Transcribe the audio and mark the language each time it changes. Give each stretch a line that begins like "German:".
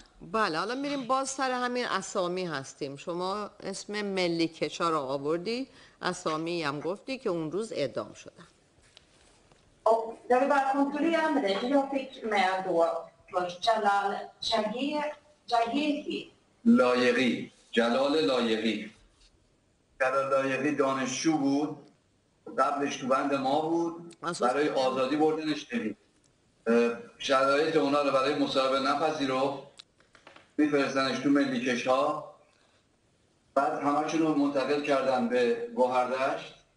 Persian: بله، حالا میریم باز سر همین اسامی هستیم. شما اسم ملیکش ها را آوردی، اسامی هم گفتی که اون روز اعدام شدن.
Swedish: Och jag vill bara kontrollera med dig, för jag fick med då först Jalal Jahiri. Lajeri. Jalal Lajeri.
Persian: Jalal Lajeri دانشجو بود. قبلش تو بند ما بود. برای آزادی بردنش دید. شرایط اونا رو برای مصاحبه نپذیرفت. میفرستنش تو ملیکش ها. بعد همه چون رو منتقل کردن به گوهردشت.